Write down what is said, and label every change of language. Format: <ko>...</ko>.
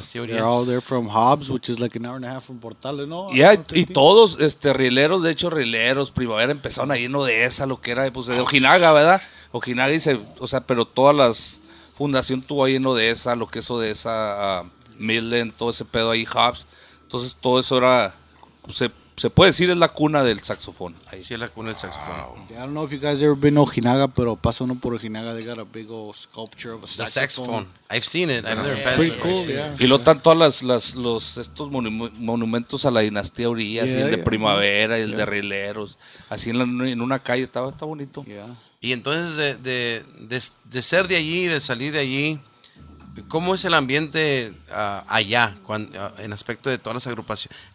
<en>They're all there from Hobbs, which is like an hour and a half from Portales, ¿no?</en> <es>Yeah, y todos, rileros, de hecho, rileros, Primavera, empezaron ahí en Odessa, lo que era, pues de Ojinaga, ¿verdad? Ojinaga dice, o sea, pero todas las... Fundación tuvo ahí en Odessa, lo que es Odessa, Midland, todo ese pedo ahí, Hubs. Entonces todo eso era, se puede decir, es la cuna del saxofón. Ahí. Sí, es la cuna del saxofón.</es> <en>I don't know if you guys ever been to Ojinaga,</en> <es>pero pasa uno por Ojinaga,</es> <en>they got a big old sculpture of a saxophone. The saxophone. I've seen it. It's pretty cool, yeah.</en> <es>Y lo tanto a estos monumentos a la dinastía Urias, y el de Primavera, y el de Rileros, así en una calle, está bonito.</es> <en>Yeah.</en> <es>Y entonces de ser de allí, de salir de allí, ¿cómo es el ambiente allá en aspecto de todas las agrupaciones?</es>